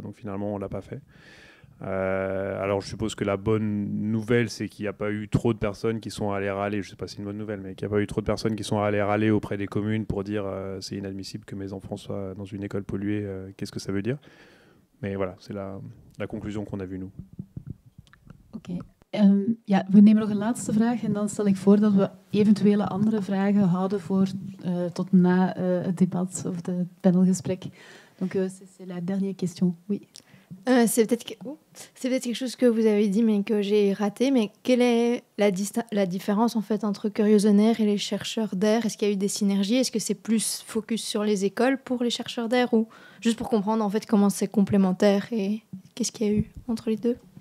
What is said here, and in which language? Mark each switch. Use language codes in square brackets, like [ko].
[fr] Donc finalement, on ne l'a pas fait. Alors je suppose que la bonne nouvelle, c'est qu'il n'y a pas eu trop de personnes qui sont allées râler. Je ne sais pas si c'est une bonne nouvelle, mais qu'il n'y a pas eu trop de personnes qui sont allées râler auprès des communes pour dire c'est inadmissible que mes enfants soient dans une école polluée. Qu'est-ce que ça veut dire? Mais voilà, c'est la conclusion qu'on a vue, nous. Oké. Okay. [nl] Ja, we nemen nog een laatste vraag en dan stel ik voor dat we eventuele andere vragen houden voor tot na het debat of het panelgesprek. [fr] Donc, c'est la dernière question. Oui. C'est peut-être quelque chose que vous avez dit mais que j'ai raté, mais quelle est la différence en fait entre Curiosonaire et les chercheurs d'air? Est-ce qu'il y a eu des synergies? Est-ce que c'est plus focus sur les écoles pour les chercheurs d'air ou juste pour comprendre en fait comment c'est complémentaire et qu'est-ce qu'il y a eu entre les deux?